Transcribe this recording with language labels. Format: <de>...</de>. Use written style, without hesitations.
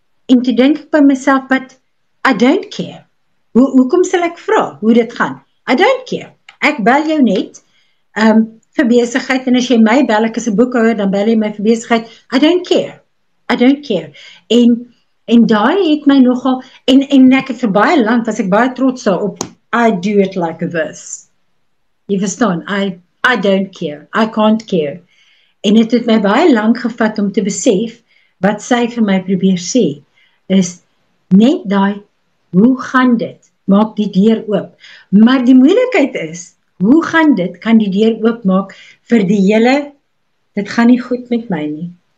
<af>En toe dink ek by myself,</af> <en>but I don't care.</en> <af>Hoekom sal ek vra hoe dit gaan?</af> <en>I don't care.</en> <af>Ek bel jou net vir besigheid, en as jy my bel, ek is 'n boekhouer, dan bel jy my vir besigheid.</af> <en>I don't care.</en> <af>En daai het my nogal, en ek het vir baie lank, was ek baie trots daarop,</af> <en>I do it like a verse.</en> <af>Jy verstaan,</af> <en>I don't care, I can't care.</en> <af>En het het my baie lank gevat om te besef, wat sy vir my probeer sê, is net daai, hoe gaan dit, maak die deur oop. Maar die moeilikheid is, hoe gaan dit, kan die deur oop maak vir die hele, dit gaan nie goed met my nie.</af>